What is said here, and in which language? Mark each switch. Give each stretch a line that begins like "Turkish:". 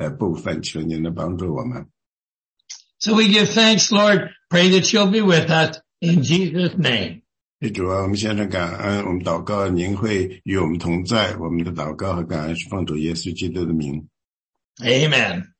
Chinese: 主要求您能帮助我们，因为今天我们学习的这一章呢是非常重要的，也是其他的圣经里面的预言的一个基础。求您能帮助我们能理解这一章，然后我们可以其实能可以理解到圣经里其他的一些部分。求您能帮助我们。So
English: we give thanks, Lord. Pray that you'll be with us in Jesus' name.
Chinese: 主啊，我们先生感恩，我们祷告您会与我们同在。我们的祷告和感恩是奉主耶稣基督的名。Amen.